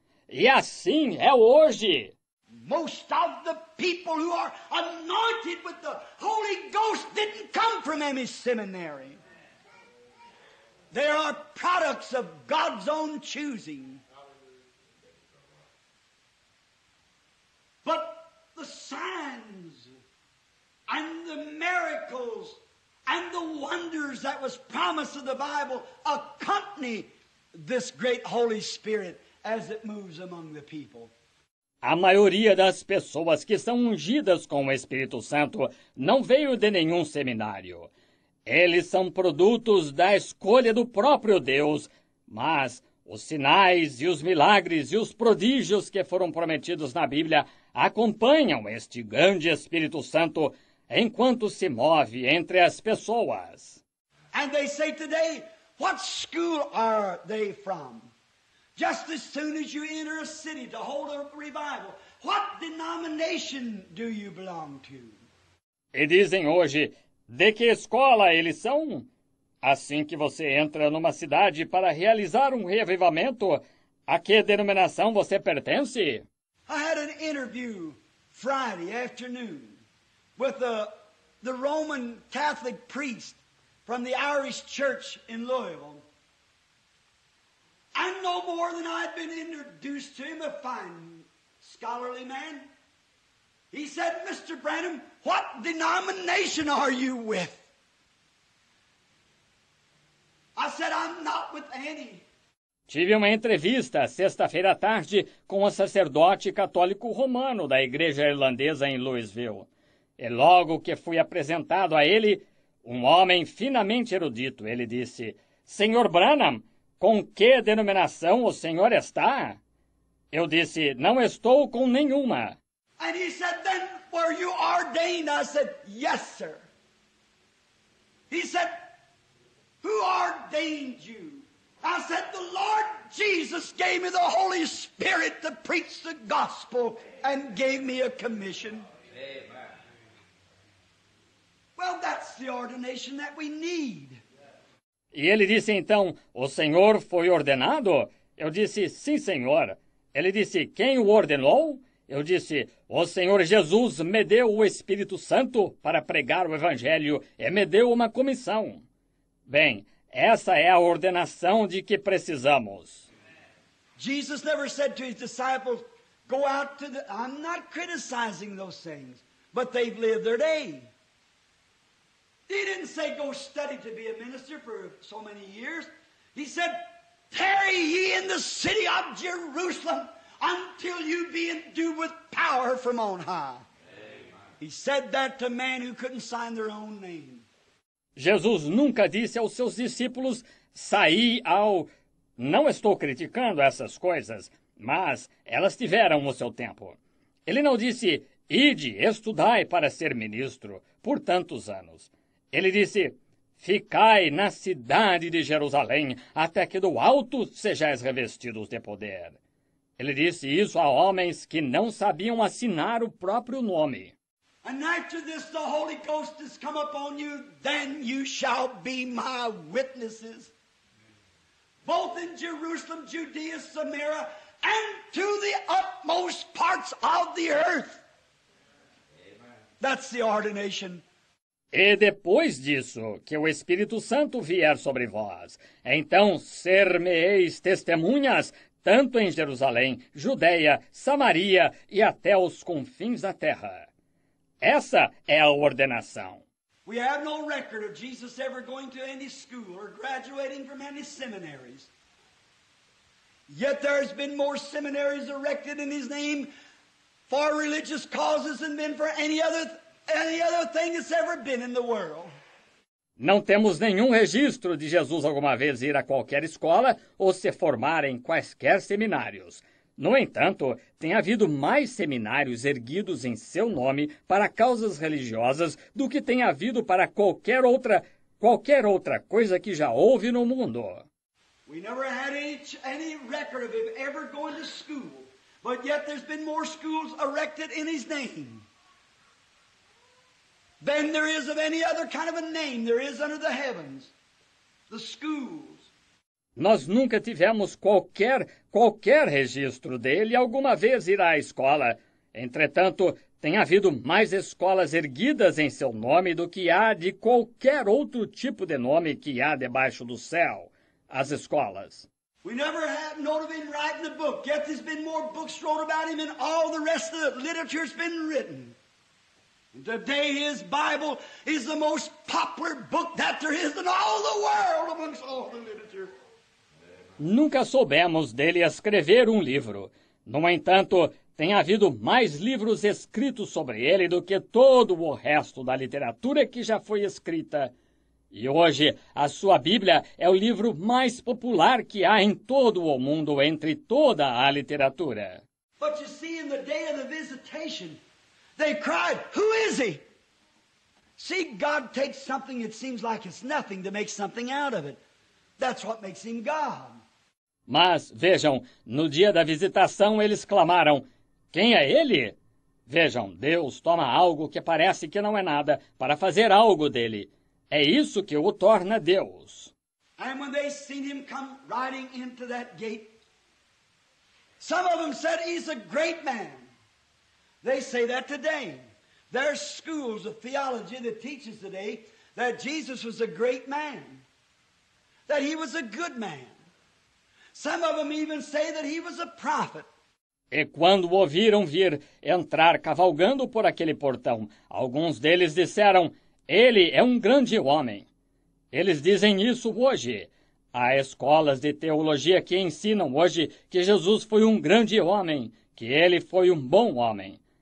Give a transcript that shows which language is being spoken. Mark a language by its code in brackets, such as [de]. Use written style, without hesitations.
[pt] E assim é hoje. [en] Most of the people who are anointed with the Holy Ghost didn't come from any seminary. They are products of God's own choosing. But the signs and the miracles and the wonders that was promised of the Bible accompany this great Holy Spirit as it moves among the people. [pt] A maioria das pessoas que são ungidas com o Espírito Santo não veio de nenhum seminário. Eles são produtos da escolha do próprio Deus, mas os sinais e os milagres e os prodígios que foram prometidos na Bíblia acompanham este grande Espírito Santo enquanto se move entre as pessoas. [en] And they say today, what school are they from? Just as soon as you enter a city to hold a revival, what denomination do you belong to? [pt] E dizem hoje, de que escola eles são? Assim que você entra numa cidade para realizar um reavivamento, a que denominação você pertence? [en] I had an interview Friday afternoon with the Roman Catholic priest from the Irish Church in Louisville. And no more than I'd been introduced to him, a fine scholarly man. He said, Mr. Branham, what denomination are you with? I said, I'm not with any. [pt] Tive uma entrevista sexta-feira à tarde com um sacerdote católico romano da igreja irlandesa em Louisville. E logo que fui apresentado a ele, um homem finamente erudito, ele disse, Senhor Branham, com que denominação o senhor está? Eu disse, não estou com nenhuma. [en] And he said, then were you ordained? I said, yes, sir. He said, who ordained you? I said, the Lord Jesus gave me the Holy Spirit to preach the gospel and gave me a commission. Amen. Well, that's the ordination that we need. [pt] E ele disse então, o senhor foi ordenado? Eu disse, sim, senhor. Ele disse, quem o ordenou? Eu disse, o Senhor Jesus me deu o Espírito Santo para pregar o Evangelho e me deu uma comissão. Bem, essa é a ordenação de que precisamos. [en] Jesus never said to his disciples, go out to the... I'm not criticizing those things, but they've lived their day. He didn't say, go study to be a minister for so many years. He said, tarry ye in the city of Jerusalem until you be endued with power from on high. Amen. He said that to men who couldn't sign their own name. [pt] Jesus nunca disse aos seus discípulos, saí ao... Não estou criticando essas coisas, mas elas tiveram o seu tempo. Ele não disse, ide, estudai para ser ministro por tantos anos. Ele disse, ficai na cidade de Jerusalém até que do alto sejais revestidos de poder. Ele disse isso a homens que não sabiam assinar o próprio nome. [en] And after this the Holy Ghost has come upon you, then you shall be my witnesses. Both in Jerusalem, Judea, Samaria, and to the utmost parts of the earth. Amen. That's the ordination. [pt] E depois disso, que o Espírito Santo vier sobre vós, então ser-me-eis testemunhas, tanto em Jerusalém, Judeia, Samaria e até os confins da terra. Essa é a ordenação. [en] We have no record of Jesus ever going to any school or graduating from any seminaries. Yet there has been more seminaries erected in his name for religious causes than been for any other thing that's ever been in the world. [pt] Não temos nenhum registro de Jesus alguma vez ir a qualquer escola ou se formar em quaisquer seminários. No entanto, tem havido mais seminários erguidos em seu nome para causas religiosas do que tem havido para qualquer outra coisa que já houve no mundo. [en] We never had any record of him ever going to school, but yet there's been more schools erected in his name than there is of any other kind of a name there is under the heavens, the schools. [pt] Nós nunca tivemos qualquer registro dele alguma vez ir à escola. Entretanto, tem havido mais escolas erguidas em seu nome do que há de qualquer outro tipo de nome que há debaixo do céu, as escolas. [en] We never have known of him writing a book, yet there's been more books wrote about him than all the rest of the literature's been written. Today his Bible is the most popular book that there is in all the world amongst all the literature. [pt] Nunca soubemos dele escrever um livro. No entanto, tem havido mais livros escritos sobre ele do que todo o resto da literatura que já foi escrita. E hoje, a sua Bíblia é o livro mais popular que há em todo o mundo, entre toda a literatura. [en] But you see, in the day of the visitation, they cried, "Who is he?" See, God takes something that seems like it's nothing to make something out of it. That's what makes him God. [pt] Mas vejam, no dia da visitação eles clamaram: "Quem é ele?" Vejam, Deus toma algo que parece que não é nada para fazer algo dele. É isso que o torna Deus. [en] And when they seen him come riding into that gate, some of them said, "He's a great man." They say that today. There's schools of theology that teaches today that Jesus was a great man, that he was a good man. Some of them even say that he was a prophet. [pt] E quando o viram vir entrar cavalgando por aquele portão, alguns deles disseram: "Ele é um grande homem." Eles dizem isso hoje. Há escolas de teologia que ensinam hoje que Jesus foi um grande homem, que ele foi um bom homem.